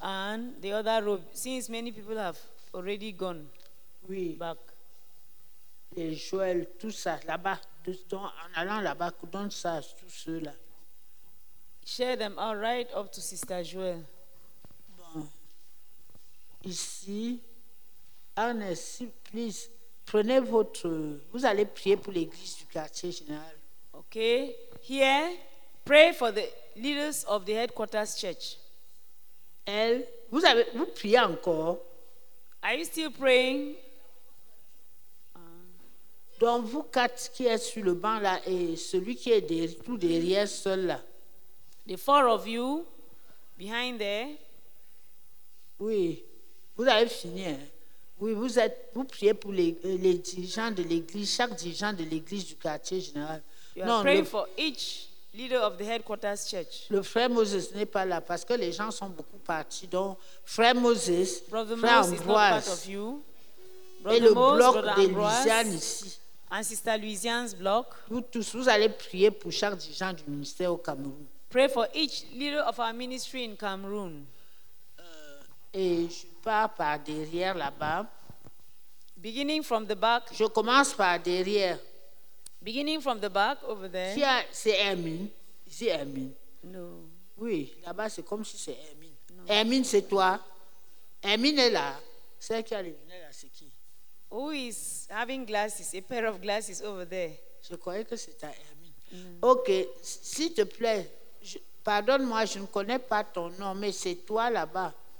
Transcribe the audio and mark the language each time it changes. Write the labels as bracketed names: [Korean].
[English] And the other row, since many people have already gone [French] oui. [English] back. [French] Et Joël, tout ça, là-bas, en allant là-bas, donne ça à tous ceux-là. [English] Share them all right up to Sister Joël. [French] Ici, Anne, [English] please, [French] prenez votre. Vous allez prier pour l'église du quartier général. [English] Okay. Here, pray for the leaders of the headquarters church. [French] Elle, vous priez encore? [English] Are you still praying? [French] Donc, vous quatre qui êtes sur le banc là et celui qui est tout derrière seul là. [English] The four of you behind there. [French] Oui, vous avez fini. Hein? Oui, vous priez pour les dirigeants de l'église, chaque dirigeant de l'église du quartier général. [English] You are praying for each leader of the headquarters church. [French] Le frère Moses n'est pas là parce que les gens sont beaucoup partis. Donc, frère Moses, frère Ambroise, et le bloc de Louisiane ici. [English] And Sister Louisiane's block. [French] Vous tous, vous allez prier pour chaque dirigeant du ministère au Cameroun. [English] Pray for each leader of our ministry in Cameroon. [French] Et je pars par derrière là-bas. [English] Beginning from the back. [French] Je commence par derrière. [English] Beginning from the back over there. [French] Qui a, c'est Hermine. Ici Hermine. Non. Oui, là-bas c'est comme si c'est Hermine. Non. Hermine, c'est toi. Hermine est là. Celle qui a les lunettes là, c'est qui? [English] Who is having glasses, a pair of glasses over there? [French] Je croyais que c'était Hermine. Mm. Ok, s'il te plaît, pardonne-moi, je ne connais pas ton nom, mais c'est toi là-bas.